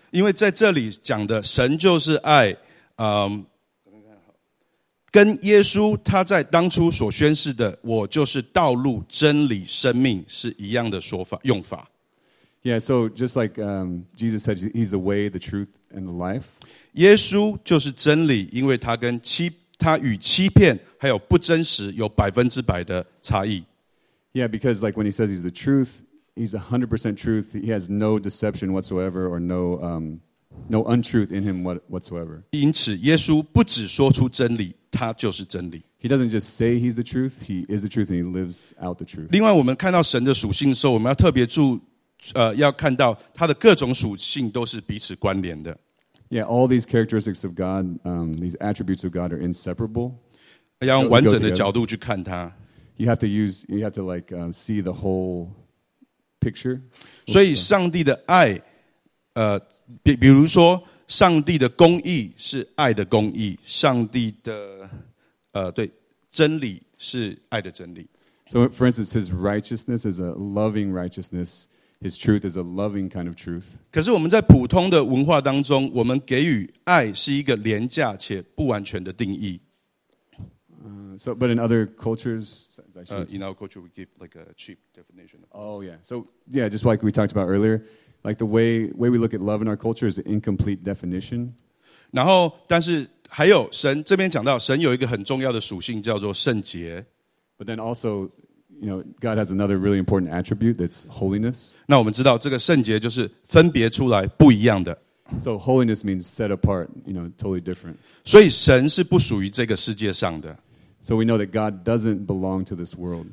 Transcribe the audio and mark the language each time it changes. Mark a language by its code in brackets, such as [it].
[zh] 因为在这里讲的神就是爱，跟耶稣他在当初所宣示的我就是道路真理生命是一样的说法用法。 [en] Yeah, so just like Jesus said, he's the way, the truth, and the life. [zh] 耶稣就是真理，因为他与欺骗还有不真实有百分之百的差异。 [en] Yeah, because like when he says he's the truth, he's 100% truth. He has no deception whatsoever or no untruth in him whatsoever. [zh] 因此耶稣不只说出真理，他就是真理。 [en] He doesn't just say he's the truth, he is the truth and he lives out the truth. [zh] 另外我们看到神的属性的时候，我们要特别注要看到他的各种属性都是彼此关联的。 [en] Yeah, all these characteristics of God, these attributes of God are inseparable. [zh] 要用完整的角度去看他。 [en] You have to see the whole picture. [zh] 所以上帝的爱，比如说上帝的公义是爱的公义，上帝的对真理是爱的真理。 [en] So for instance, his righteousness is a loving righteousness. His truth is a loving kind of truth. [zh] 可是我们在普通的文化当中，我们给予爱是一个廉价且不完全的定义。 [en] So, but in other cultures, in our culture, we give like a cheap definition. Oh, yeah. So, yeah, just like we talked about earlier, like the way we look at love in our culture is an incomplete definition. [zh] 然后，但是还有神这边讲到，神有一个很重要的属性叫做圣洁。 [en] But then also, you know, God has another really important attribute that's holiness. [zh] 那我们知道这个圣洁就是分别出来不一样的。 [en] So holiness means set apart, you know, totally different. [zh] 所以神是不属于这个世界上的。 [en] So we know that God doesn't belong to this world.